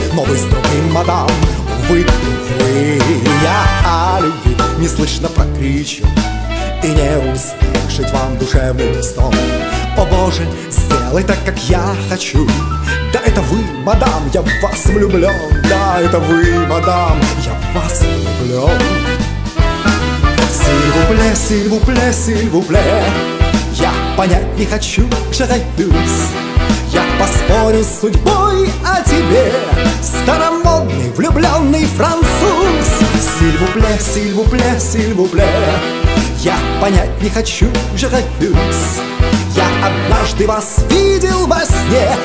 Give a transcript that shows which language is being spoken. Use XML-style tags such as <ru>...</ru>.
<ru>Но вы с другим, мадам, увы. Я о любви неслышно прокричу и не услышать вам душевный стон. О боже, сделай так, как я хочу. Да это вы, мадам, я в вас влюблен. Да это вы, мадам, я в вас влюблен.</ru> <fr>S'il vous plaît, s'il vous plaît, s'il vous plaît.</fr> <ru>Я понять не хочу,</ru> <fr>je refuse.</fr> <ru>Я поспорю с судьбой о тебе, старомодный влюбленный француз.</ru> <fr>S'il vous plaît, s'il vous plaît, s'il vous plaît.</fr> <ru>Я понять не хочу,</ru> <fr>je refuse.</fr> <ru>Я однажды вас видел во сне.</ru>